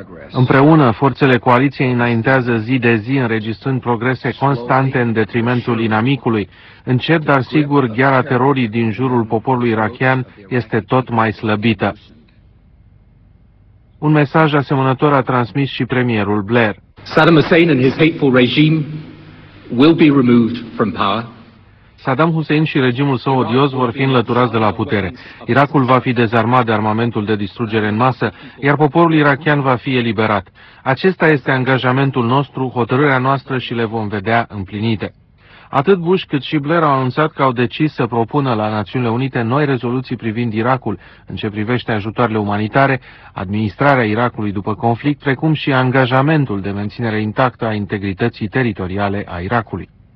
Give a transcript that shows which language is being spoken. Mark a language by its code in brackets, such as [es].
[ro] Împreună, forțele coaliției înaintează zi de zi, înregistrând progrese constante în detrimentul inamicului. Încet, dar sigur, gheara terorii din jurul poporului irachian este tot mai slăbită. Un mesaj asemănător a transmis și premierul Blair. [en] Saddam Hussein and his hateful regime will be removed from power. [ro] Saddam Hussein și regimul său odios vor fi înlăturați de la putere. Irakul va fi dezarmat de armamentul de distrugere în masă, iar poporul irachian va fi eliberat. Acesta este angajamentul nostru, hotărârea noastră și le vom vedea împlinite. Atât Bush cât și Blair au anunțat că au decis să propună la Națiunile Unite noi rezoluții privind Irakul în ce privește ajutoarele umanitare, administrarea Irakului după conflict, precum și angajamentul de menținere intactă a integrității teritoriale a Irakului.